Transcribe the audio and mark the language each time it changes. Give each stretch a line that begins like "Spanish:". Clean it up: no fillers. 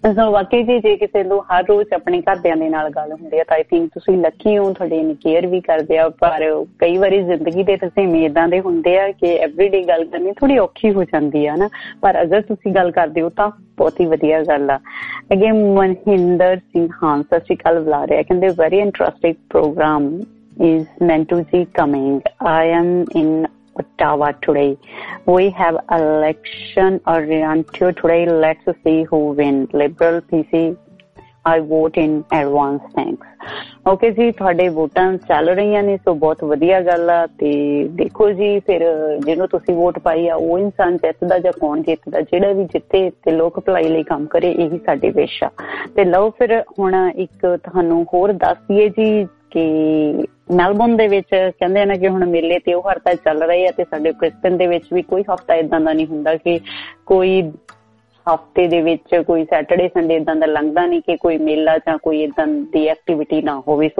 Punjabi: ਵਾਕਈ ਜੀ, ਜੇ ਕਿਸੇ ਨੂੰ ਹਰ ਰੋਜ਼ ਆਪਣੇ ਘਰਦਿਆਂ ਦੇ ਨਾਲ ਗੱਲ ਹੁੰਦੀ ਆ ਤਾਂ
English: I think
Punjabi: ਤੁਸੀਂ ਲੱਕੀ ਹੋ, ਤੁਹਾਡੇ ਇੰਨੀ ਕੇਅਰ ਵੀ ਕਰਦੇ ਆ, ਪਰ ਕਈ ਵਾਰੀ ਜ਼ਿੰਦਗੀ ਦੇ ਤੁਸੀਂ ਇੱਦਾਂ ਦੇ ਹੁੰਦੇ ਆ ਕਿ ਐਵਰੀਡੇ ਗੱਲ ਕਰਨੀ ਥੋੜੀ ਔਖੀ ਹੋ ਜਾਂਦੀ ਆ ਨਾ, ਪਰ ਅਗਰ ਤੁਸੀਂ ਗੱਲ ਕਰਦੇ ਹੋ ਤਾਂ ਬਹੁਤ ਹੀ ਵਧੀਆ ਗੱਲ ਆ। ਅੱਗੇ ਮਨਹਿੰਦਰ ਸਿੰਘ ਹਾਂ ਸਤਿ ਸ਼੍ਰੀ ਅਕਾਲ ਬੁਲਾ ਰਿਹਾ, ਕਹਿੰਦੇ
English: Very interesting program is meant to be coming, I'm in Ottawa today. We have election oriented today. Let's see who win. Liberal PC, I vote in advance. Thanks.
Punjabi: Okay ਜੀ, ਤੁਹਾਡੇ ਵੋਟਾਂ ਚੱਲ ਰਹੀਆਂ ਨੇ, ਸੋ ਬਹੁਤ ਵਧੀਆ ਗੱਲ ਆ। ਤੇ ਦੇਖੋ ਜੀ, ਫਿਰ ਜਿਹਨੂੰ ਤੁਸੀਂ ਵੋਟ ਪਾਈ ਆ ਉਹ ਇਨਸਾਨ ਜਿੱਤਦਾ ਜਾਂ ਕੌਣ ਜਿੱਤਦਾ, ਜਿਹੜਾ ਵੀ ਜਿੱਤੇ ਤੇ ਲੋਕ ਭਲਾਈ ਲਈ ਕੰਮ ਕਰੇ, ਇਹੀ ਸਾਡੀ ਵਿਸ਼ ਆ। ਤੇ ਲਓ ਫਿਰ ਹੁਣ ਇੱਕ ਤੁਹਾਨੂੰ ਹੋਰ ਦੱਸ ਦਈਏ ਜੀ ਕਿ ਮੈਲਬੋਰਨ ਦੇ ਵਿੱਚ ਕਹਿੰਦੇ ਨੇ ਕਿ ਹੁਣ ਮੇਲੇ ਤੇ ਉਹ ਹਫ਼ਤਾ ਚੱਲ ਰਹੇ ਆ, ਤੇ ਸਾਡੇ ਕ੍ਰਿਸਚਨ ਦੇ ਵਿੱਚ ਵੀ ਕੋਈ ਹਫ਼ਤਾ ਏਦਾਂ ਦਾ ਨਹੀਂ ਹੁੰਦਾ ਕਿ ਕੋਈ ਹਫ਼ਤੇ ਦੇ ਵਿੱਚ ਕੋਈ ਸੈਟਰਡੇ ਸੰਡੇ ਏਦਾਂ ਦਾ ਲੰਘਦਾ ਨੀ ਕਿ ਕੋਈ ਮੇਲਾ ਜਾਂ ਕੋਈ ਏਦਾਂ ਦੀ ਐਕਟੀਵਿਟੀ ਨਾ ਹੋਵੇ।